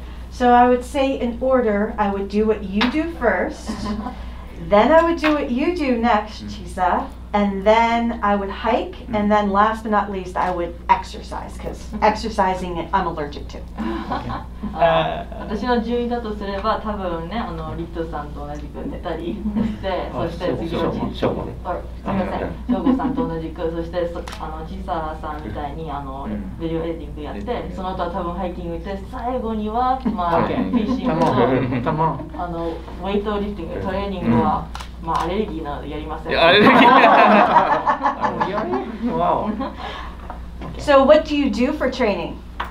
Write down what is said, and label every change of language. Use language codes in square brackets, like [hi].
[en] So I would say in order, I would do what you do first, then I would do what you do next, Chisa, and then I would hike, and then last but not least, I would exercise, because exercising, I'm allergic to. [ja] 私の順位だとすれば、多分ね、あのリットさんと同じく寝たり、そして次のショーゴさんと同じく、そしてあのチサさんみたいにあのビデオエディングやって、その後は多分ハイキング行って、最後にはまあフィッシングの、あのウェイトリフティング、トレーニングは、まあ、アレルギーなのでやりません。アレルギ [en] ー So what do you do for training?